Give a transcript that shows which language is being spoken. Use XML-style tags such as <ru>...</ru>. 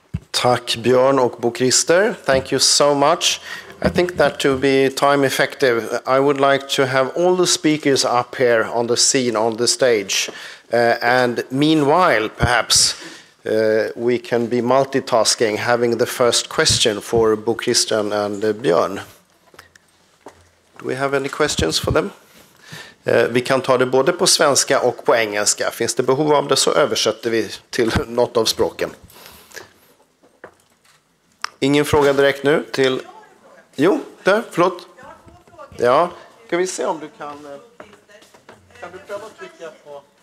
<sv>Tack Björn och Bo Christer.</sv> <en>Thank you so much. I think that to be time effective, I would like to have all the speakers up here on the scene, on the stage. And meanwhile, perhaps we can be multitasking, having the first question for Bo Christian and Björn. Do we have any questions for them?</en> <sv>Vi kan ta det både på svenska och på engelska. Finns det behov av det så översätter vi till något av språken. Ingen fråga direkt nu till... Jo, där, förlåt. Ja, ska vi se om du kan... Kan du pröva att trycka på...</sv>